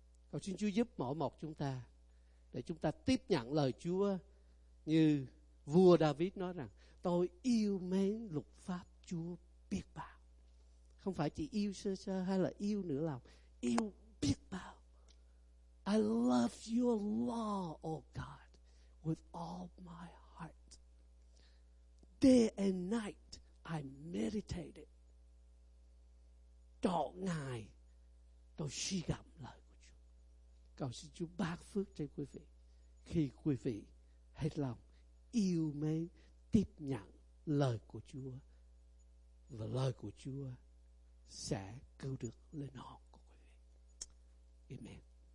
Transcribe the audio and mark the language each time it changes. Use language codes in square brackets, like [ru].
[vi] Cầu xin Chúa giúp mỗi một chúng ta để chúng ta tiếp nhận lời Chúa như vua David nói rằng, tôi yêu mến luật pháp Chúa biết bao. Không phải chỉ yêu sơ sơ hay là yêu nửa lòng, yêu biết bao. [en] I love your law, O God, with all my heart. Day and night I meditate it. [vi] Trọn ngày tôi suy gẫm lời của Chúa. Cầu xin Chúa ban phước cho quý vị khi quý vị hết lòng yêu mến, tiếp nhận lời của Chúa, và lời của Chúa sẽ cứu được linh hồn của quý vị. Amen.